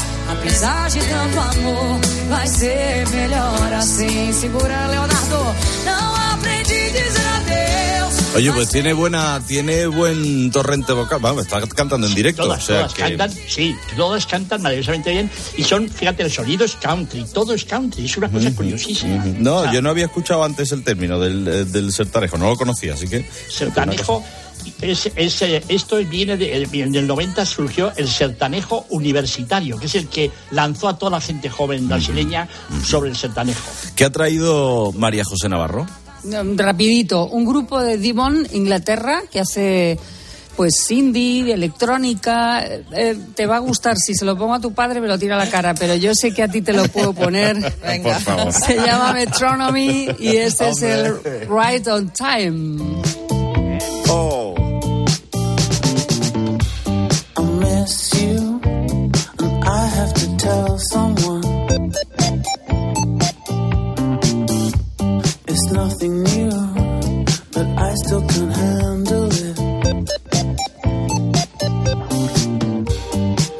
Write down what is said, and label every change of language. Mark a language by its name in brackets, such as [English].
[Portuguese] Apesar de tanto amor, vai ser melhor assim. Segura, Leonardo. Não aprendi a dizer adeus. [Spanish] Oye, pues tiene buen torrente vocal. Vamos, está cantando en directo. Todas, o sea, todas que cantan, sí, todas cantan maravillosamente bien. Y son, fíjate, el sonido es country, todo es country. Es una cosa, uh-huh, curiosísima. Uh-huh. No, o sea, yo no había escuchado antes el término del sertanejo, no lo conocía, así que... Sertanejo, esto viene en el 90 surgió el sertanejo universitario, que es el que lanzó a toda la gente joven brasileña, uh-huh, sobre el sertanejo. ¿Qué ha traído María José Navarro? Rapidito, un grupo de Devon, Inglaterra, que hace pues indie, electrónica. Te va a gustar, si se lo pongo a tu padre me lo tira a la cara, pero yo sé que a ti te lo puedo poner. Venga. Por favor. Se llama Metronomy y este, hombre, es el Right on Time. [English] Oh, I miss you and I have to tell someone. Nothing new, but I still can't handle it.